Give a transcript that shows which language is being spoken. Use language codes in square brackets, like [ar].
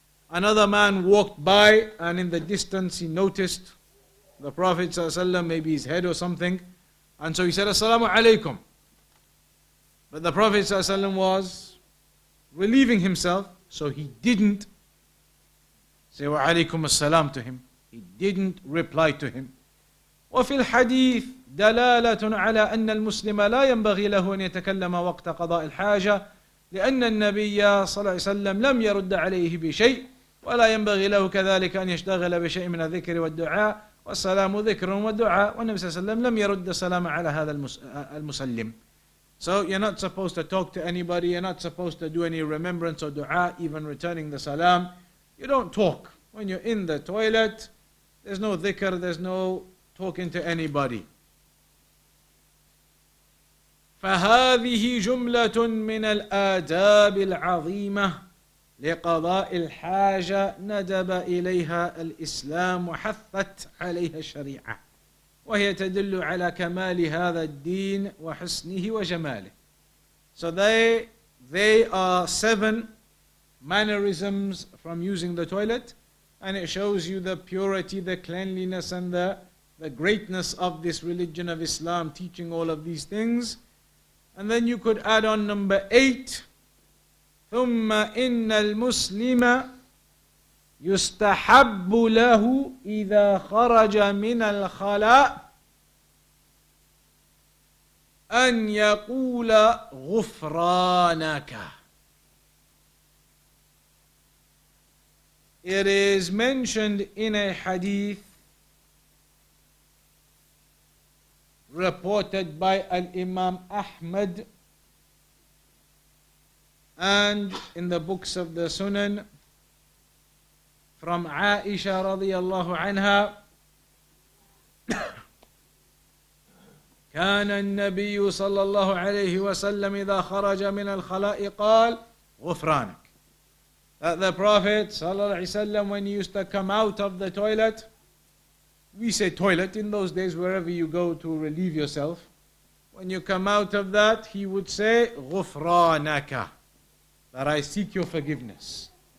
[en] Another man walked by and in the distance he noticed the Prophet ﷺ, maybe his head or something. And so he said, Assalamu alaikum. But the Prophet ﷺ was relieving himself, so he didn't say wa alaikum assalam to him. He didn't reply to him. [ar] وَفِي الْحَدِيثِ دلالة على أن المسلم لا ينبغي له أن يتكلم وقت قضاء الحاجة لأن النبي صلى الله عليه وسلم لم يرد عليه بشيء ولا ينبغي له كذلك أن يشتغل بشيء من الذكر والدعاء والسلام ذكر والدعاء والنبي صلى الله عليه وسلم لم يرد سلام على هذا المسلم [en] So you're not supposed to talk to anybody, you're not supposed to do any remembrance or dua, even returning the salam. You don't talk. When you're in the toilet, there's no dhikr, there's no talking to anybody. [ar] فهذه جملة من الآداب العظيمة لقضاء الحاجة ندب إليها الإسلام وحثت عليها الشريعة وهي تدل على كمال هذا الدين وحسنه وجماله [en] So they, they are seven mannerisms from using the toilet, and it shows you the purity, the cleanliness, and the greatness of this religion of Islam teaching all of these things. And then you could add on number 8, [ar] ثُمَّ إِنَّ الْمُسْلِمَ يُسْتَحَبُّ لَهُ إِذَا خَرَجَ مِنَ الْخَلَاءِ أَنْ يَقُولَ غُفْرَانَكَ. [en] It is mentioned in a hadith reported by Al-Imam Ahmad and in the books of the Sunan from Aisha radiallahu anha. [ar] كان النبي صلى الله عليه وسلم إذا خرج من الخلاء قال غفرانك. [en] The Prophet صلى الله عليه وسلم, when he used to come out of the toilet, we say toilet in those days, wherever you go to relieve yourself. When you come out of that, he would say, غُفْرَانَكَ, that I seek your forgiveness.